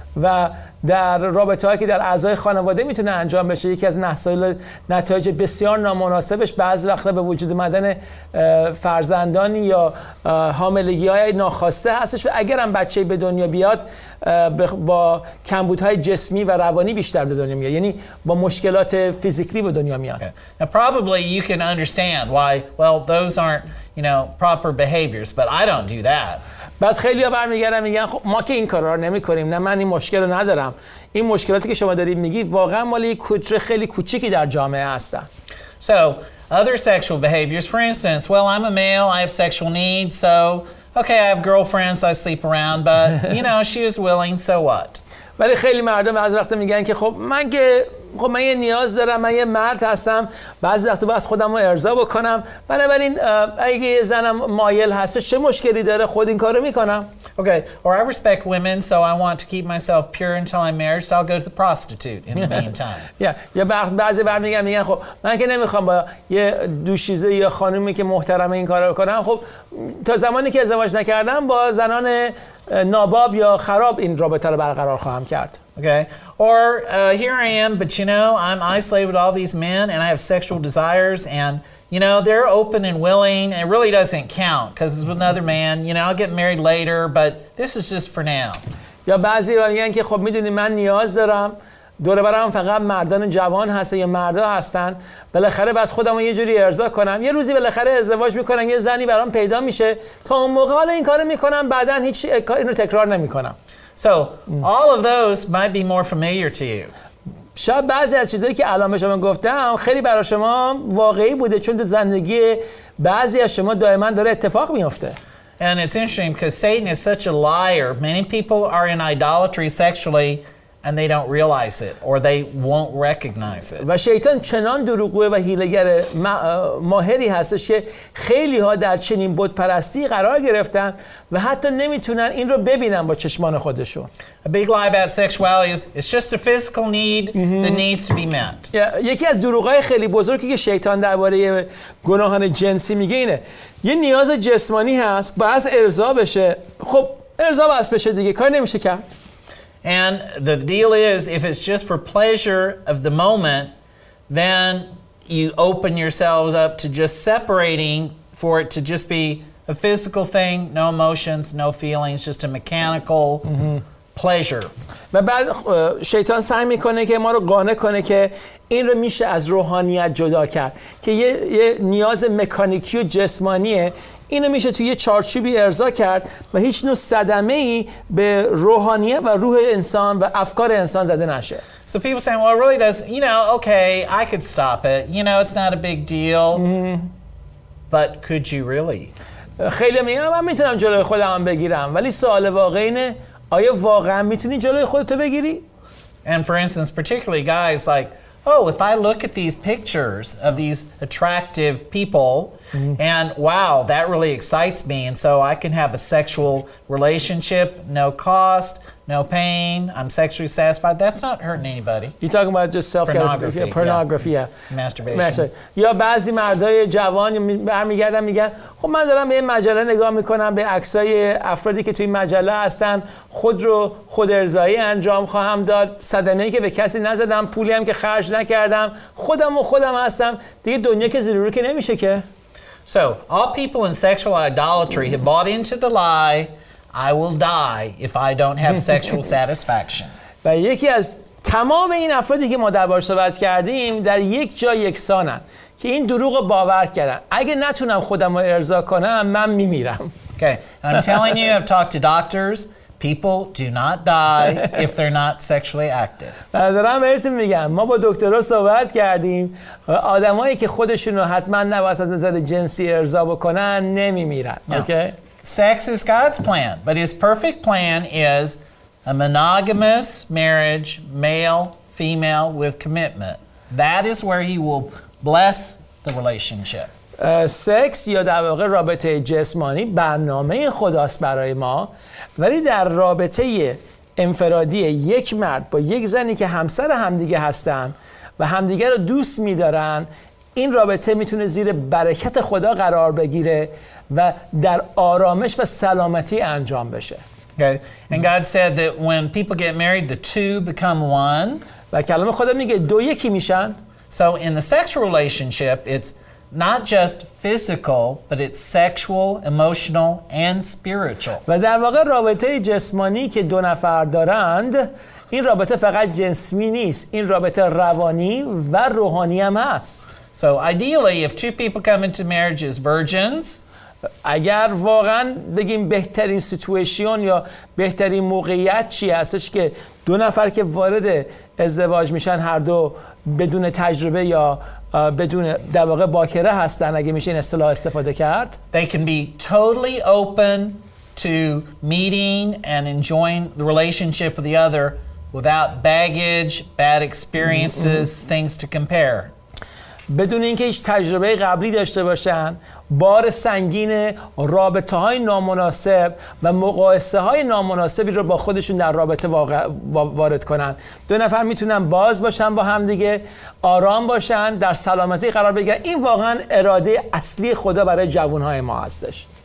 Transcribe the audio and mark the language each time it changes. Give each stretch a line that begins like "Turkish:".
Persian: و در رابطه‌ای که در اعضای خانواده میتونه انجام بشه، یکی از نتایج بسیار نامناسبش بعضی وقتا به وجود آمدن فرزندان یا حاملگی‌های ناخواسته هستش، و اگر هم بچه‌ای به دنیا بیاد با کمبودهای جسمی و روانی بیشتر به دنیا میاد، یعنی با مشکلات فیزیکی به دنیا میاد.
English: Now probably you can understand why, well, those aren't, you know, proper behaviors, but I don't do that.
Persian: بعد خیلی ها برمیگردن میگن خب ما که این کارا رو نمی کنیم، نه من این مشکل رو ندارم. این مشکلاتی که شما دارید میگید واقعا مال یک کوتر خیلی کوچیکی در جامعه هستن.
English: So other sexual behaviors, for instance, well, I'm a male, I have sexual needs, so okay, I have girlfriends, I sleep around, but you know, she is willing, so what.
Persian: ولی خیلی مردم از وقت میگن که خب من یه نیاز دارم، من یه مرد هستم، بعضی وقت باید خودم رو ارضا بکنم، بنابراین اگه یه زنم مایل هسته چه مشکلی داره، خود این کارو میکنم.
English: Okay, or I respect women, so I want to keep myself pure until I'm married, so I'll go to the prostitute in the meantime. Yeah,
Persian: بعضی بعد میگن خب من که نمیخوام با یه دوشیزه یا خانومی که محترمه این کارو کنم، خب تا زمانی که ازدواج نکردم با زنان ناباب یا خراب این رابطه رو برقرار خواهم کرد.
English: Okay. Or here I am, but you know, I'm isolated with all these men and I have sexual desires and you know, they're open and willing and it really doesn't count because it's with another man. You know, I'll get married later, but this is just for now.
Persian: یا بعضی میگن که خب میدونی من نیاز دارم، دور برم فقط مردان جوان هستن یا مردا هستن، بالاخره بس خودمو یه جوری ارضا کنم، یه روزی بالاخره ازدواج میکنم، یه زنی برام پیدا میشه، تا اون موقع حالا این کارو میکنم، بعدن هیچ اینو تکرار نمیکنم.
English: So all of those might be more familiar to you.
Persian: شاید بعضی از چیزایی که الان به شما گفتم خیلی برای شما واقعی بوده، چون تو زندگی بعضی از شما دائما داره اتفاق میفته.
English: And it's interesting because Satan is such a liar. Many people are in idolatry sexually and they don't realize it or they won't recognize it.
Persian: و شیطان چنان دروغگوه و حیله‌گر ماهری هستش که خیلی ها در چنین بت پرستی قرار گرفتن و حتی نمیتونن این رو ببینن با چشمان خودشون.
English: A big lie about sexuality is it's just a physical need that needs to be met.
Persian: یکی از دروغ‌های خیلی بزرگی که شیطان درباره گناهان جنسی میگه اینه، یه نیاز جسمانی هست باید ارضا بشه، خب ارضا باید بشه دیگه، کار نمیشه کرد.
English: And the deal is, if it's just for pleasure of the moment, then you open yourselves up to just separating for it to just be a physical thing, no emotions, no feelings, just a mechanical pleasure.
Persian: و بعد شیطان سعی میکنه که ما رو قانع کنه که این رو میشه از روحانیت جدا کرد، که یه نیاز مکانیکی و جسمانیه، اینو میشه توی یه چارچوبی ارضا کرد و هیچ نوع صدمه‌ای به روحانیت و روح انسان و افکار انسان زده نشه.
English: So people saying, well, it really does, you know, okay, I could stop it. You know, it's not a big deal. But could you really?
Persian: خیلی میگم من میتونم جلوی خودم بگیرم، ولی سوال واقعی اینه آیا واقعا میتونی جلوی خودتو بگیری؟
English: And for instance, particularly guys like, oh, if I look at these pictures of these attractive people, and wow, that really excites me, and so I can have a sexual relationship, no cost, no pain, I'm sexually satisfied, that's not hurting anybody. You're talking about just self-pornography. Pornography, yeah. Masturbation.
Persian: یا بعضی مردای جوان برمیگردن میگن خب من دارم به این مجله نگاه میکنم، به عکسای افرادی که توی این مجله هستن، خود رو خود ارضایی انجام خواهم داد، صدمه‌ای که به کسی نزدم، پولی هم که خرج نکردم، خودم و خودم هستم، دیگه دنیا که زیر رو که نمیشه که.
English: So, all people in sexual idolatry have bought into the lie I will die if I don't have sexual satisfaction.
Persian: و یکی از تمام این افرادی که ما درباره صحبت کردیم در یک جای یکسانن که این دروغ رو باور کردن. اگه نتونم خودم رو ارضا کنم من میمیرم.
English: Okay. I'm telling you, I've talked to doctors. People do not die if they're not sexually active.
Persian: دارم بهتون میگم ما با دکترها صحبت کردیم، آدمایی که خودشون رو حتما نباید از نظر جنسی ارضا بکنن نمیمیرن.
English: Okay. Sex is God's plan, but his perfect plan is a monogamous marriage, male, female, with commitment. That is where he will bless the relationship.
Persian: Sex یا در واقع رابطه جسمانی برنامه خداست برای ما، ولی در رابطه انفرادی یک مرد با یک زنی که همسر همدیگه هستن و همدیگه رو دوست می‌دارن، این رابطه میتونه زیر برکت خدا قرار بگیره و در آرامش و سلامتی انجام بشه.
English: Okay. And God said that when people get married, the two become one.
Persian: و کلام خدا میگه دو یکی میشن.
English: So in the sexual relationship, it's not just physical, but it's sexual, emotional, and spiritual.
Persian: و در واقع رابطه جسمانی که دو نفر دارند، این رابطه فقط جسمی نیست، این رابطه روانی و روحانی هم هست.
English: So ideally, if two people come into marriage as virgins,
Persian: اگر واقعا بگیم بهترین سیتویشن یا بهترین موقعیت چی هستش که دو نفر که وارد ازدواج میشن هر دو بدون تجربه یا بدون در واقع باکره هستن اگه میشه این اصطلاح استفاده کرد
English: They can be totally open to meeting and enjoying the relationship with the other without baggage, bad experiences, things to compare
Persian: بدون اینکه هیچ تجربه قبلی داشته باشن بار سنگین رابطه های نامناسب و مقایسه های نامناسبی رو با خودشون در رابطه وارد کنن دو نفر میتونن باز باشن با هم دیگه آرام باشن در سلامتی قرار بگیرن این واقعا اراده اصلی خدا برای جوان های ما هستش